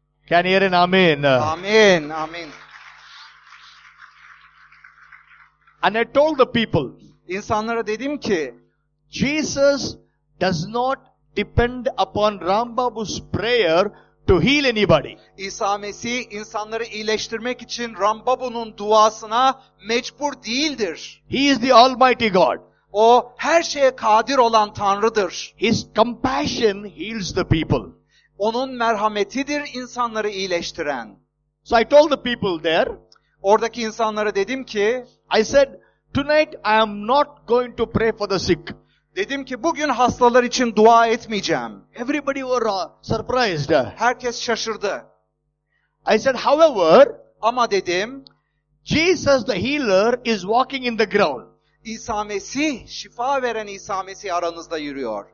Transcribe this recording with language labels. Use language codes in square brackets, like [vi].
[en] Can you hear an amen? Amen, amen. And I told the people. [tr] İnsanlara dedim ki, [en] Jesus does not depend upon Rambabu's prayer to heal anybody. [tr] İsa Mesih insanları iyileştirmek için Rambabu'nun duasına mecbur değildir. [en] He is the Almighty God. [tr] O her şeye kadir olan Tanrı'dır. [en] His compassion heals the people. [tr] Onun merhametidir insanları iyileştiren. [en] So I told the people there. [tr] Oradaki insanlara dedim ki, [en] I said, tonight I am not going to pray for the sick. [tr] Dedim ki bugün hastalar için dua etmeyeceğim. [en] Everybody was surprised. [tr] Herkes şaşırdı. [en] I said, however, [tr] ama dedim, [en] Jesus the healer is walking in the ground. [tr] İsa Mesih, şifa veren İsa Mesih aranızda yürüyor.